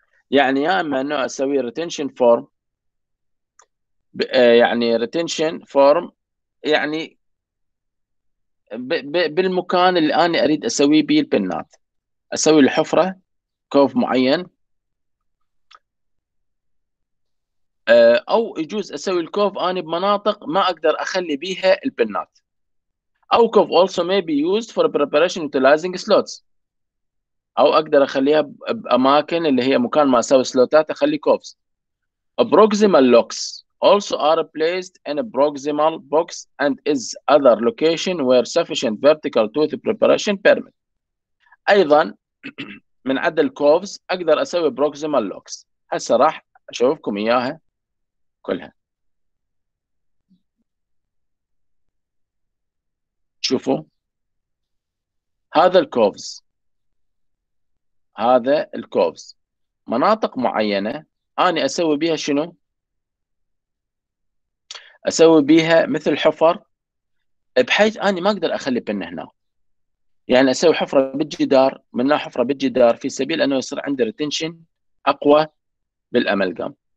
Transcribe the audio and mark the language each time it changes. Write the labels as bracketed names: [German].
[Arabic] يعني يا أما إنه أسوي retention form، يعني retention form يعني بالمكان اللي أنا أريد أسوي به البنات، أسوي الحفرة كوف معين، أو يجوز أسوي الكوف أنا بمناطق ما أقدر أخلي بيها البنات. أو كوف [English] also may be used for preparation utilizing slots، [Arabic] أو أقدر أخليها بأماكن اللي هي مكان ما أسوي سلوتات أخلي كوفز. [English] Proximal locks also are placed in a proximal box and is other location where sufficient vertical tooth preparation permit. [Arabic] ايضا من عدل الكوفز اقدر اسوي proximal locks. هسه راح اشوفكم اياها كلها. شوفوا هذا الكوفز، هذا الكوفز مناطق معينه اني اسوي بها شنو؟ أسوي بيها مثل حفر بحيث أني ما أقدر أخلي بن هنا، يعني أسوي حفرة بالجدار، منها حفرة بالجدار في سبيل أنه يصير عندي ريتنشن أقوى بالأملقام،